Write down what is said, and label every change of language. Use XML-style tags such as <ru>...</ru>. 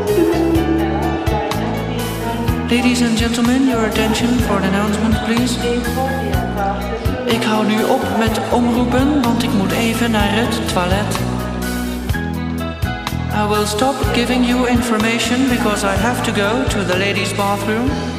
<en>Ladies and gentlemen, your attention for an announcement, please.</en> <nl>Ik hou nu op met omroepen, want ik moet even naar het toilet.</nl> <en>I will stop giving you information because I have to go to the ladies' bathroom.</en>